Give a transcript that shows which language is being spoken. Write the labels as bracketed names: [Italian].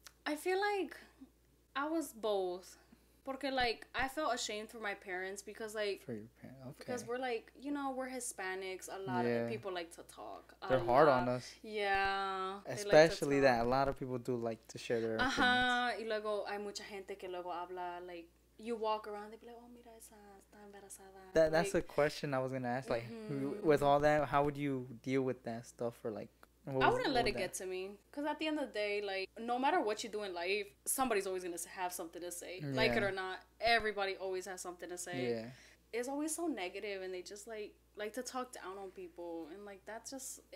[English] I feel like I was both. [Spanish] Porque, [English] like, I felt ashamed for my parents because, like... For your parents, okay. Because we're, like, you know, we're Hispanics. A lot of people like to talk. They're hard on us. Yeah. Especially like that a lot of people do like to share their opinions. [Spanish] Y luego hay mucha gente que luego habla, like, [English] you walk around, they be like, oh, [Spanish] mira, esa está embarazada. [English] That's a question I was going to ask. Like, with all that, how would you deal with that stuff? Or, like, I wouldn't let it get to me. Because at the end of the day, like, no matter what you do in life, somebody's always going to have something to say. Yeah. Like it or not, everybody always has something to say. Yeah. It's always so negative, and they just, like to talk down on people. And, like, that's just...